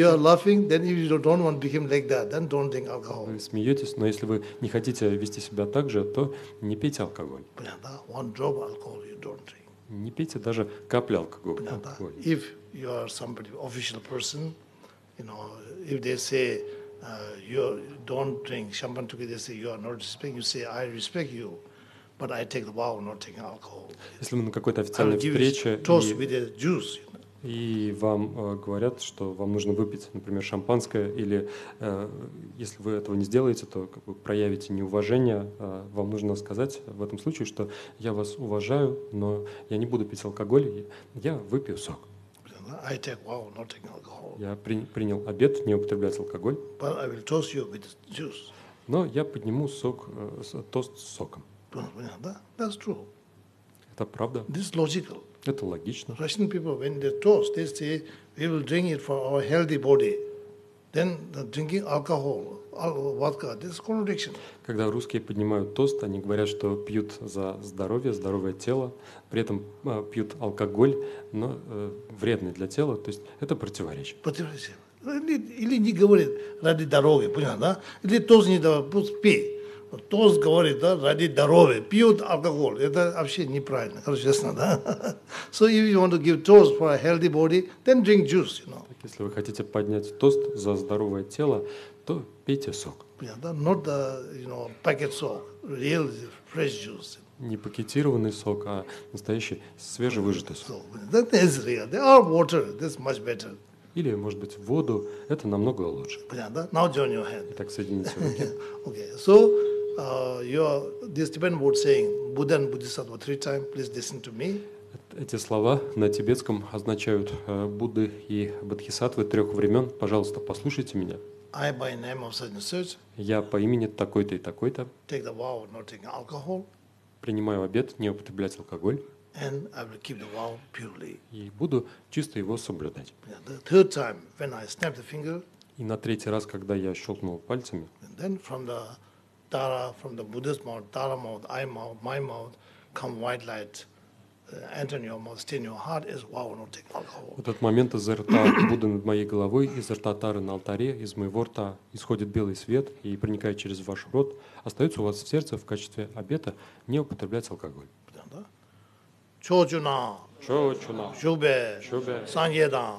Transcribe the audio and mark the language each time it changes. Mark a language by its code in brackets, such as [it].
[en] You are laughing, then if you don't want to become like that, then don't drink alcohol. [ru] Вы смеетесь, но если вы не хотите вести себя так же, то не пейте алкоголь. [en] Понятно? One drop alcohol you don't drink. [ru] Не пейте даже капли алкоголя. [en] If you are somebody official person, you know, if they say you don't drink champagne together, they say you are not respecting, you say I respect you, but I take the vow of not taking alcohol. [ru] Если мы на какой-то официальной встрече [en] toast with the juice, you know. [ru] И вам говорят, что вам нужно выпить, например, шампанское, или если вы этого не сделаете, то как бы проявите неуважение. Вам нужно сказать в этом случае, что я вас уважаю, но я не буду пить алкоголь, я выпью сок. [en] I take wow, not taking alcohol. [ru] Я принял обет не употреблять алкоголь. [en] But I will toast you with juice. [ru] Но я подниму сок, тост с соком. [en] That's true. [ru] Это правда. [en] This is logical. [ru] Это логично. [en] Russian people, when they toast, they say we will drink it for our healthy body. Then the drinking alcohol, vodka, this is contradiction. [ru] Когда русские поднимают тост, они говорят, что пьют за здоровье, здоровое тело, при этом пьют алкоголь, но вредный для тела, то есть это противоречие. Противоречие. Или не говорит ради здоровья, понятно, да? Или тост не давай, пусть пей. Тост говорит, да, ради здоровья, пьют алкоголь. Это вообще неправильно, честно, да? [en] So if you want to give toast for a healthy body, then drink juice, you know. [ru] Так, если вы хотите поднять тост за здоровое тело, то пейте сок. [en] Yeah, да? Not the, you know, packet sock, real fresh juice. [ru] Не пакетированный сок, а настоящий свежевыжатый сок. [en] That is real. There are water, that's much better. [ru] Или, может быть, воду, это намного лучше. Понятно, да? [en] Now join your hand. [ru] Итак, соедините руки. [en] Okay, so, this Tibetan word saying, Buddha and Bodhisattva three times, please listen to me. [ru] Эти слова на тибетском означают Будды и Бодхисаттвы трех времен. Пожалуйста, послушайте меня. [en] I by name of such and such. [ru] Я по имени такой-то и такой-то. [en] Take the vow of not taking alcohol. [ru] Принимаю обет не употреблять алкоголь. [en] And I will keep the vow purely. [ru] И буду чисто его соблюдать. [en] Yeah, the third time when I snap the finger. [ru] И на третий раз, когда я щелкнул пальцами. [en] And then from the Tara, from the Buddha's mouth, Tara mouth, I mouth, my mouth, come white light, enter in your mouth, stay in your heart, is vow not take alcohol. [ru] В этот момент из рта Будды над моей головой, из рта Тары на алтаре, из моего рта исходит белый свет и проникает через ваш рот, остается у вас в сердце в качестве обета не употреблять алкоголь. [bo] Чочуна, Чочуна, Чубе, Чубе, Сангьедан,